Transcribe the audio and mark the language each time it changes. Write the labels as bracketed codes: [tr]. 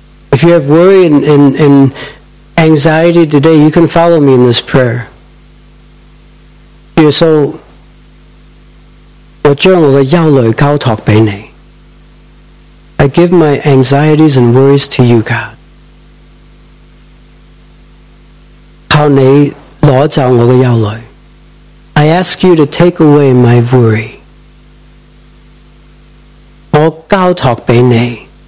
[en] If you have worry and anxiety today, you can follow me in this prayer. [zh] 耶稣，我将我的忧虑交托给你。 [en] I give my anxieties and worries to you, God. [zh] 靠你拿走我的忧虑。 [en] I ask you to take away my worry. [zh] 我交托俾你，